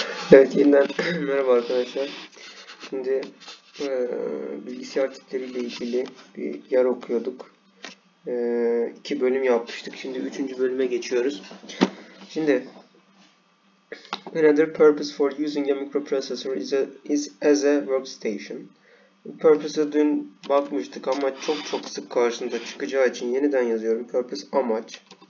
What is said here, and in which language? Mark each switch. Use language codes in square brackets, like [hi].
[tr] Gerçekten merhaba arkadaşlar. Şimdi bilgisayar tipleriyle ilgili bir yer okuyorduk. İki bölüm yapmıştık. Şimdi üçüncü bölüme geçiyoruz. [en] Şimdi another purpose for using a microprocessor is as a workstation. [tr] Purpose'a dün bakmıştık ama çok çok sık karşımıza çıkacağı için yeniden yazıyorum. Purpose amaç.